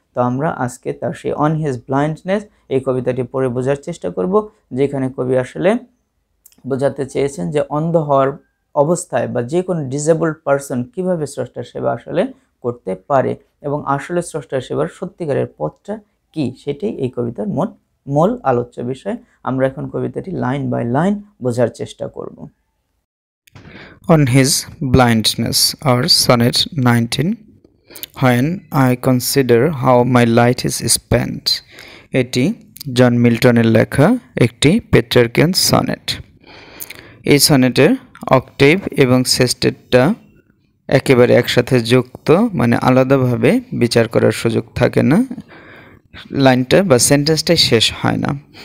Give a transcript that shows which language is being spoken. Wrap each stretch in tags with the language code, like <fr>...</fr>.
<bn>তো আমরা আজকে তার সেই অন হিজ ব্লাইন্ডনেস এই কবিতাটি পড়ে বোঝার চেষ্টা করব, যেখানে কবি আসলে বোঝাতে চেয়েছেন যে অন্ধ হওয়ার অবস্থায় বা যে কোনো ডিজেবলড পার্সন কীভাবে স্রষ্টার সেবা আসলে করতে পারে এবং আসলে স্রষ্টার সেবার সত্যিকারের পথটা কী, সেটাই এই কবিতার মূল আলোচ্য বিষয়। আমরা এখন কবিতাটি লাইন বাই লাইন বোঝার চেষ্টা করব।</bn> <en>On his blindness, or sonnet 19, when I consider how my light is spent.</en> <bn>এটি জন মিল্টনের লেখা একটি পেট্রার্কিয়ান সনেট। এই সনেটের অক্টেভ এবং সেস্টেটটা একেবারে একসাথে যুক্ত, মানে আলাদাভাবে বিচার করার সুযোগ থাকে না, লাইনটা বা সেন্টেন্সটাই শেষ হয় না।</bn>